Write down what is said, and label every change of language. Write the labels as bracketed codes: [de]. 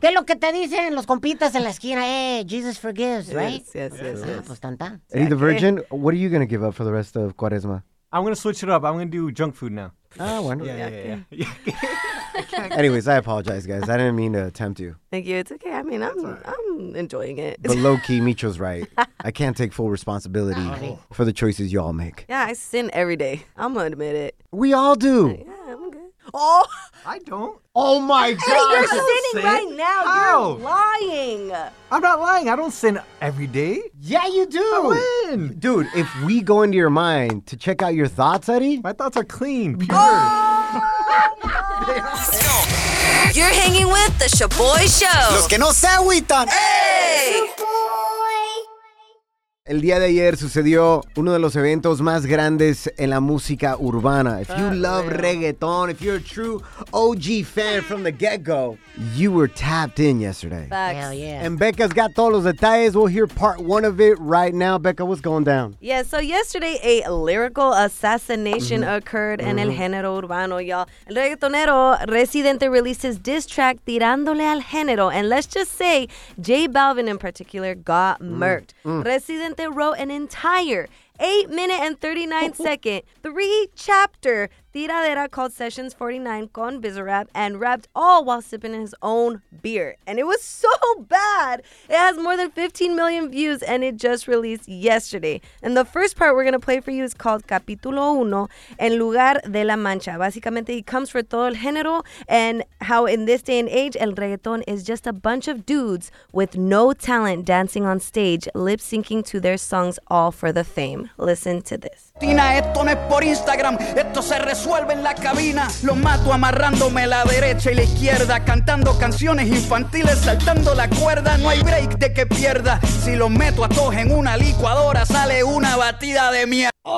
[es] ¿Qué es lo que te dicen los compitas en la esquina? [en] Hey, Jesus forgives, right? Yes. [es] Pues tanta. [en] Eddie the Virgin, what are you going to give up for the rest of Cuaresma? I'm going to switch it up. I'm going to do junk food now. [es] Oh, bueno. [en] Yeah. Anyways, I apologize, guys. I didn't mean to tempt you. Thank you. It's okay. I mean, I'm enjoying it. But low-key, Micho's right. I can't take full responsibility for the choices you all make. Yeah, I sin every day. I'm going to admit it. We all do. Yeah, I'm good. Oh! I don't. Oh, my God. You're sinning right now. How? You're lying. I'm not lying. I don't sin every day. Yeah, you do. I win. Dude, if we go into your mind to check out your thoughts, Eddie. My thoughts are clean, pure. You're hanging with the Shoboy Show. [es] Los que no se agüitan. ¡Ey! El día de ayer sucedió uno de los eventos más grandes en la música urbana. [en] If you love reggaeton, if you're a true OG fan from the get-go, you were tapped in yesterday. Facts. Hell yeah. And Becca's got [es] todos los detalles. [en] We'll hear part one of it right now. Becca, what's going down? Yeah, so yesterday a lyrical assassination occurred in [es] el género urbano, [en] y'all. El reggaetonero Residente released his diss track Tirándole al Género. And let's just say J Balvin in particular got murked. Residente wrote an entire 8-minute and 39-second, three-chapter Tiradera called Sessions 49 con Bizarrap and rapped all while sipping his own beer. And it was so bad. It has more than 15 million views and it just released yesterday. And the first part we're going to play for you is called Capítulo Uno, En Lugar de la Mancha. [es] Básicamente, [en] he comes for [es] todo el género [en] and how in this day and age, el reggaeton is just a bunch of dudes with no talent dancing on stage, lip syncing to their songs all for the fame. Listen to this. [es] Tina, esto no es por Instagram, esto se resuelve en la cabina. Lo mato amarrándome la derecha y la izquierda, cantando canciones infantiles, saltando la cuerda. No hay break de que pierda. Si lo meto a todos en una licuadora, sale una batida de mierda.